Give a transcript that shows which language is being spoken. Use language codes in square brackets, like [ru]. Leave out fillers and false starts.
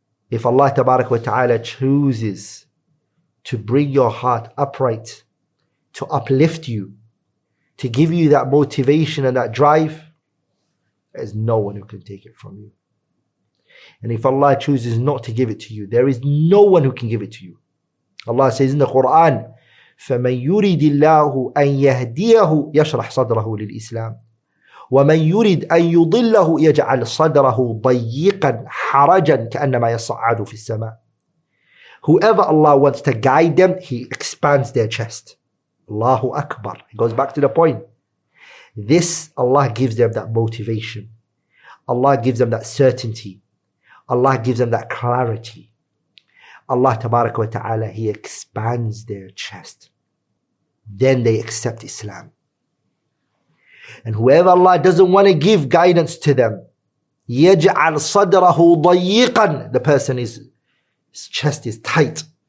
[en] If Allah tabarak wa ta'ala chooses to bring your heart upright, to uplift you, to give you that motivation and that drive, there's no one who can take it from you. And if Allah chooses not to give it to you, there is no one who can give it to you. [ar] Allah says in the Quran, فَمَنْ يُرِدِ اللَّهُ أَنْ يَهْدِيَهُ يَشْرَحْ صَدْرَهُ لِلْإِسْلَامِ وَمَنْ يُرِدْ أَنْ يُضِلَّهُ يَجْعَلْ صَدْرَهُ ضَيِّقًا حَرَجًا كَأَنَّمَا يَصَّعَّدُ فِي السَّمَاءِ [en] Whoever Allah wants to guide them, he expands their chest. [ar] Allahu Akbar. [en] It goes back to the point. This, Allah gives them that motivation. Allah gives them that certainty. Allah gives them that clarity. Allah tabarak wa ta'ala, he expands their chest. Then they accept Islam. And whoever Allah doesn't want to give guidance to them, [ar] يَجْعَلْ صَدْرَهُ ضَيِّقًا [en] The person is, his chest is tight.